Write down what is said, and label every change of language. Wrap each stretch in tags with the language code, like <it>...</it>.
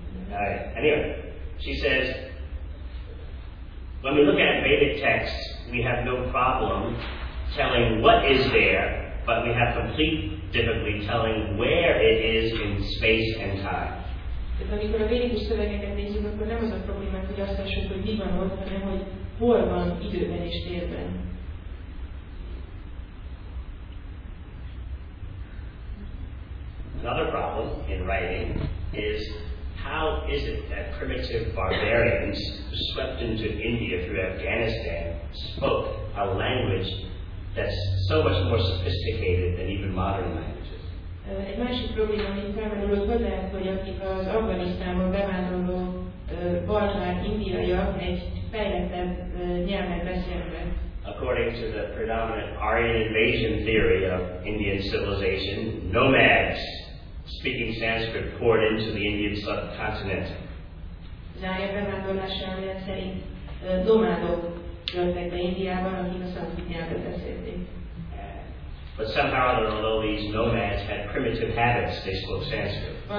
<en>Anyway, she says, when we look at Vedic texts, we have no problem telling what is there, but we have complete difficulty telling where it is in space and time.</en> <hu>Tehát amikor a védikus szövegeket nézzük, akkor nem az a probléma, hogy azt lássuk, hogy mi van ott, hanem hogy hol van időben és térben.</hu> <en>Another problem in writing is how is it that primitive barbarians swept into India through Afghanistan spoke a language that's so much more sophisticated than even modern language.</en> <hu>Egy másik probléma, amit felmerülött, hogy lehet, hogy akik az Afganisztánból bevándorló barbár indiaiak egy fejlettebb nyelven beszélnek.</hu> <en>According to the predominant Aryan invasion theory of Indian civilization, nomads speaking Sanskrit poured into the Indian subcontinent.</en> <hu>Az Aryan bevándorlása elmélet szerint nomádok jöttek be Indiában, akik a szanszkrit nyelvet beszélték.</hu> <en>But somehow or other, although these nomads had primitive habits, they spoke Sanskrit.</en>